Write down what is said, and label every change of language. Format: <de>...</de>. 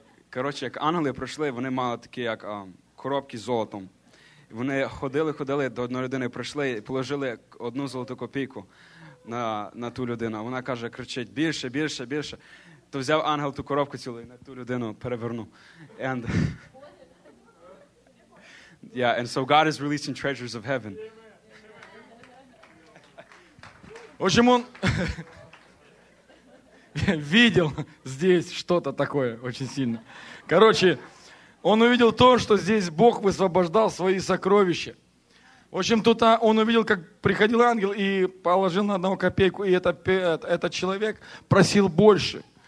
<uk>Коротше, як ангели прийшли, вони мали такі, як коробки з золотом. Вони ходили до одної людини, прийшли і положили одну золоту копійку на ту людину. Вона каже, кричить: більше, більше, більше. То взяв ангел ту коробку цілу і на ту людину перевернув.</uk> <en>And yeah, and so God is releasing treasures of heaven.</en> <ru>Отчим он видел здесь что-то такое очень сильно. Короче, он увидел то, что здесь Бог высвобождал свои сокровища. В общем, тут он увидел, как приходил ангел и положил на одну копейку, и этот человек просил больше.</ru>